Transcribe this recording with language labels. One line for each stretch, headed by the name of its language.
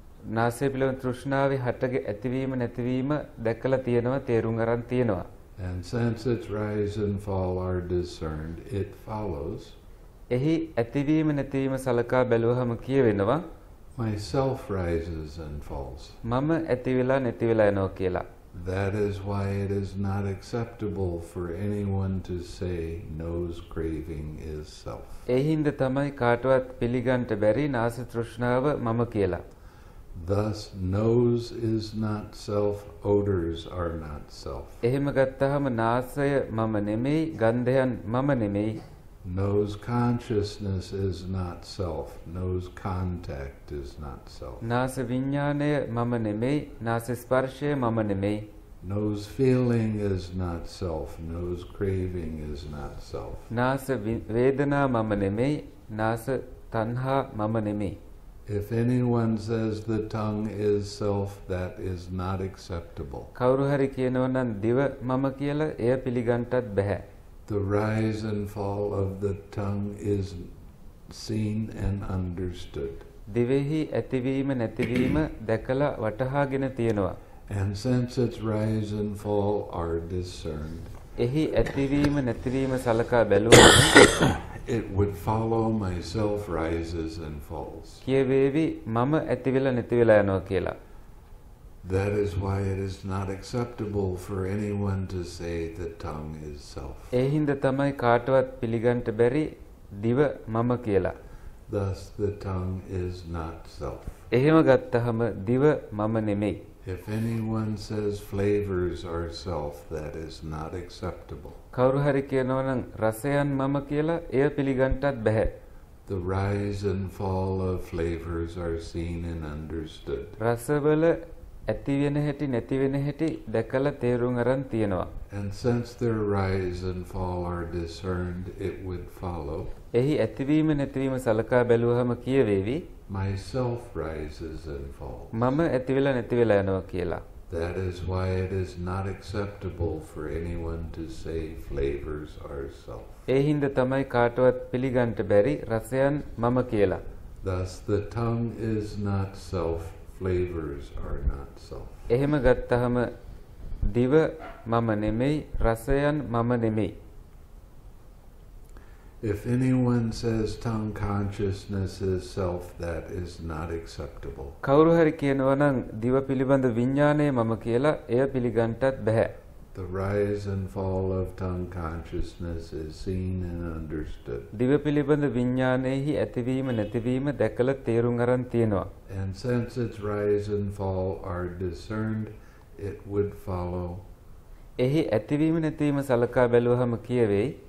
Sinhala: නාසය පිළිබඳ තෘෂ්ණාවේ හටගැ ඇතිවීම නැතිවීම දැකලා තියෙනවා තේරුම් අරන් තියෙනවා.
English: And since its rise and fall are discerned, it follows.
Sinhala: එහි ඇතිවීම නැතිවීම සලකා බැලුවහම කියවෙනවා
English: Myself rises and falls.
Sinhala: මම ඇතිවිලා නැතිවිලා යනවා කියලා.
English: That is why it is not acceptable for anyone to say nose craving is self.
Sinhala: එහින්ද තමයි කාටවත් පිළිගන්න බැරි නාස තෘෂ්ණාව මම කියලා.
English: Thus nose is not self, odors are not self.
Sinhala: එහෙම ගත්තහම නාසය මම නෙමෙයි ගන්ධයන් මම නෙමෙයි.
English: Knows consciousness is not self. Knows contact is not self.
Sinhala: නාස විඥානය මම නෙමෙයි. නාස ස්පර්ශය මම නෙමෙයි.
English: Knows feeling is not self. Knows craving is not self.
Sinhala: නාස වේදනා මම නෙමෙයි. නාස තණ්හා මම නෙමෙයි.
English: If anyone says the tongue is self, that is not acceptable.
Sinhala: කවුරු හරි කියනවා නම් දිව මම කියලා එය පිළිගන්නටත් බෑ.
English: The rise and fall of the tongue is seen and understood.
Sinhala: Dhivehi ඇතිවීම නැතිවීම දැකලා වටහාගෙන තියෙනවා.
English: And since its rise and fall are discerned,
Sinhala: එහි ඇතිවීම නැතිවීම සලකා බැලුවොත්
English: it would follow myself rises and falls.
Sinhala: කියවේවි මම ඇතිවිලා නැතිවිලා යනවා කියලා.
English: That is why it is not acceptable for anyone to say the tongue is self.
Sinhala: එහිඳ තමයි කාටවත් පිළිගන්න බැරි දිව මම කියලා.
English: Thus the tongue is not self.
Sinhala: එහෙම ගත්තහම දිව මම නෙමෙයි.
English: If anyone says flavors are self, that is not acceptable.
Sinhala: කවුරු හරි කියනවා නම් රසයන් මම කියලා එය පිළිගන්නටත් බෑ.
English: The rise and fall of flavors are seen and understood.
Sinhala: රසවල ඇති වෙන හැටි නැති වෙන හැටි දැකලා තේරුම් අරන් තියෙනවා.
English: And since their rise and fall are discerned, it would follow.
Sinhala: එහි ඇතිවීම නැතිවීම සලකා බැලුවහම කියවේවි.
English: Myself rises and falls.
Sinhala: මම ඇතිවිලා නැතිවිලා යනවා කියලා.
English: That is why it is not acceptable for anyone to say flavors are self.
Sinhala: එහිඳ තමයි කාටවත් පිළිගන්න බැරි රසයන් මම කියලා.
English: Thus the tongue is not self. Flavors are not self.
Sinhala: එහෙම ගත්තහම දිව මම නෙමෙයි රසයන් මම නෙමෙයි.
English: If anyone says tongue consciousness is self, that is not acceptable.
Sinhala: කවුරු හරි කියනවා නම් දිව පිළිබඳ විඥානය මම කියලා එය පිළිගන්නටත් බෑ.
English: The rise and fall of tongue consciousness is seen and understood.
Sinhala: දිව පිළිබඳ විඥානයේහි ඇතිවීම නැතිවීම දැකලා තේරුම් අරන් තියෙනවා.
English: And since its rise and fall are discerned, it would follow.
Sinhala: එහි ඇතිවීම නැතිවීම සලකා බැලුවහම කියවේ.